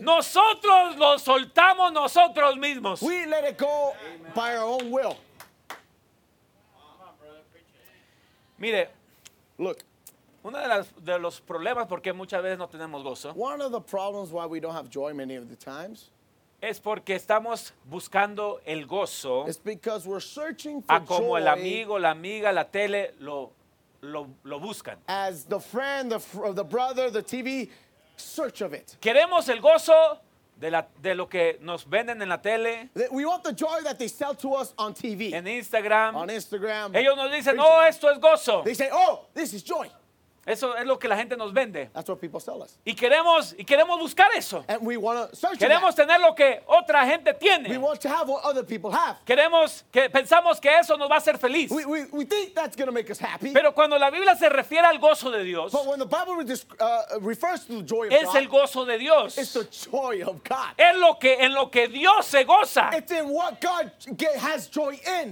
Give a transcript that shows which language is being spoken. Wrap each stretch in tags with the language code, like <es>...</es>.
<es>Nosotros lo soltamos nosotros mismos.</es> <en>We let it go by our own will.</en> <es>Mire,</es> <en>look.</en> <es>Uno de los problemas porque muchas veces no tenemos gozo.</es> <en>One of the problems why we don't have joy many of the times.</en> <es>Es porque estamos buscando el gozo.</es> <en>It's because we're searching for joy.</en> <es>A como</es> <en>joy,</en> <es>el amigo, la amiga, la tele lo buscan.</es> <en>As the friend, the brother, the TV search of it.</en> <es>Queremos el gozo de lo que nos venden en la tele.</es> <en>We want the joy that they sell to us on TV.</en> <es>En Instagram.</es> <en>On Instagram.</en> <es>Ellos nos dicen, "No, esto es gozo."</es> <en>They say, "Oh, this is joy."</en> <es>Eso es lo que la gente nos vende.</es> <en>That's what people sell us.</en> <es>Y queremos buscar eso.</es> <en>And we want to search</en> <es>queremos tener lo que otra gente tiene.</es> <en>We want to have what other people have.</en> <es>Queremos que pensamos que eso nos va a hacer feliz.</es> <en>We think that's going to make us happy.</en> <es>Pero cuando la Biblia se refiere al gozo de Dios,</es> <en>but when the Bible refers to the joy of</en> <es>es</es> <en>God,</en> <es>el gozo de Dios.</es> <en>It's the joy of God.</en> <es>Es lo que en lo que Dios se goza.</es> <en>It's in what God has joy in.</en>